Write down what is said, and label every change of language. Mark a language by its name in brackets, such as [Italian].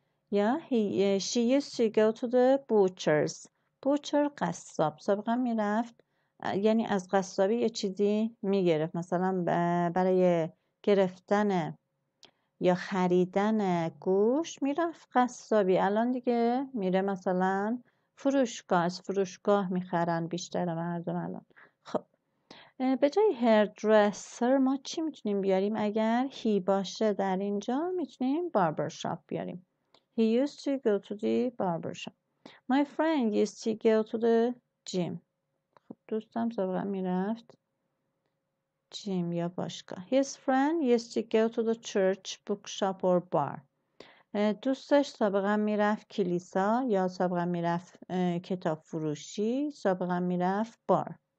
[Persian] یا [English] she used to go to the butchers، [Persian] بوچر قصاب، سابقا می رفت یعنی از قصابی یه چیزی می گرفت، مثلا برای گرفتن یا خریدن گوش می رفت قصابی، الان دیگه میره مثلا فروشگاه، از فروشگاه می خرن بیشتر مردم الان. به جای هیر درسر ما چی میتونیم بیاریم؟ اگر هی باشه در اینجا میتونیم باربر شاپ بیاریم. [English] He used to go to the barber shop. My friend used to go to the gym، [Persian] دوستم سابقا میرفت جیم یا باشگاه. [English] His friend used to go to the church، bookshop or bar، [Persian] دوستش سابقا میرفت کلیسا یا سابقا میرفت کتاب فروشی، سابقا میرفت بار.